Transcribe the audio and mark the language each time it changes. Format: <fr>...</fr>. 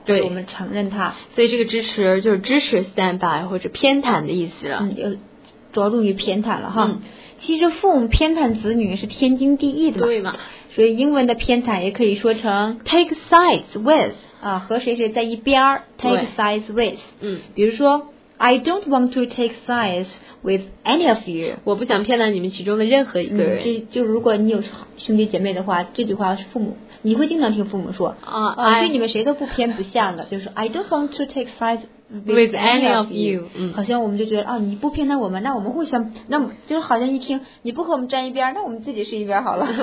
<zh>对，我们承认他，所以这个支持就是支持</zh> <en>stand by</en> <zh>或者偏袒的意思了，就着重于偏袒了哈。其实父母偏袒子女是天经地义的嘛，对嘛，所以英文的偏袒也可以说成</zh> <en>take sides with</en> <zh>和谁谁在一边</zh> <en>take sides with。</en> <zh>比如说</zh> <en>I don't want to take sides with any of you.</en> <zh>我不想偏袒你们其中的任何一个人。就如果你有兄弟姐妹的话，这句话是父母，你会经常听父母说对你们谁都不偏不向的，就是</zh> <en>I don't want to take sides with any of you.</en> <zh>好像我们就觉得你不偏袒我们，那我们互相，那就是好像一听你不和我们站一边，那我们自己是一边好了。</zh>